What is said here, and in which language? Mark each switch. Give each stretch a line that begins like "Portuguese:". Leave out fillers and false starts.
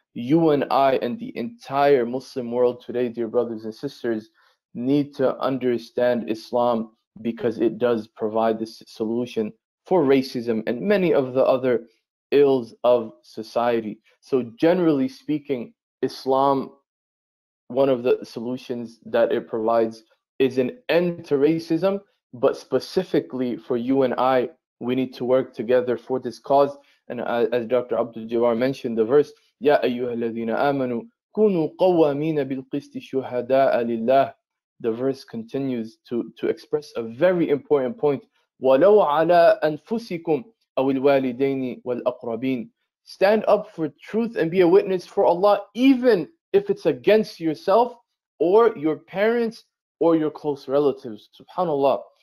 English: You and I and the entire Muslim world today, dear brothers and sisters, need to understand Islam, because it does provide the solution for racism and many of the other ills of society. So generally speaking, Islam, one of the solutions that it provides is an end to racism, but specifically for you and I, we need to work together for this cause. And as Dr. Abdul Jawar mentioned the verse,
Arabic: يَا أَيُّهَا الَّذِينَ آمَنُوا كُونُوا قَوَّامِينَ بِالْقِسْطِ شُهَدَاءَ لِلَّهِ.
English: The verse continues to express a very important point.
Arabic: وَلَوْ عَلَىٰ أَنفُسِكُمْ أَوِ الْوَالِدَيْنِ وَالْأَقْرَبِينَ.
English: Stand up for truth and be a witness for Allah, even if it's against yourself or your parents or your close relatives. SubhanAllah.